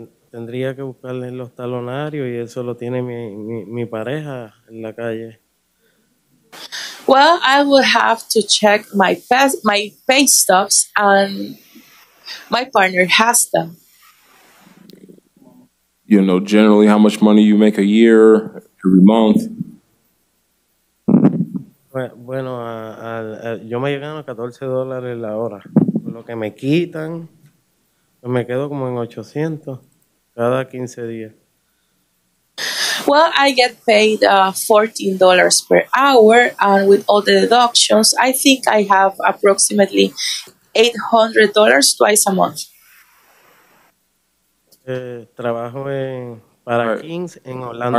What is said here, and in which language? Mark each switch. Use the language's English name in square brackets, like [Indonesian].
[Spanish] Tendría que buscarle los talonarios y eso lo tiene mi pareja en la calle. [English] Well, I would have to check my pay stubs and my partner has them. You know, generally how much money you make a year, every month? [Spanish] Bueno, yo me gano $14 la hora. Lo que me quitan, me quedo como en 800. Cada 15 días. [English] Well, I get paid $14 per hour, and with all the deductions, I think I have approximately $800 twice a month. [Spanish] Trabajo en para right. Kings en Orlando.